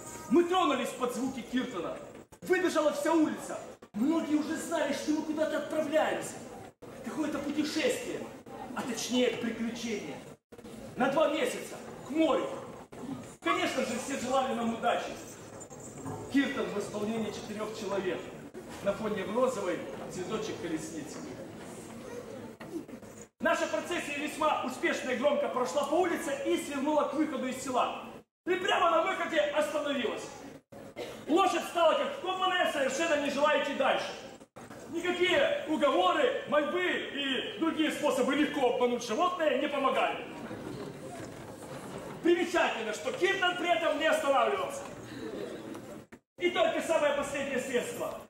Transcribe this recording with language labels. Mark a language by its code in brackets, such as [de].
[ru] Мы тронулись под звуки киртана. Выбежала вся улица. Многие уже знали, что мы куда-то отправляемся. Какое-то путешествие. А точнее, приключение. На 2 месяца. К морю. Конечно же, все желали нам удачи. Киртан в исполнении 4 человек. [uk] на фоні в розовий цвіточок колісниці. Наша процесія весьма успішно і громко пройшла по вулиці і свернула к виходу із села. І прямо на виході остановилась. [ru] Лошадь стала як вкопаная, совершенно не желаючи дальше. Никакие уговоры, мольбы и другие способы легко обмануть животное не помогали. Примечательно, что Киртон при этом не останавливался. И только самое последнее средство.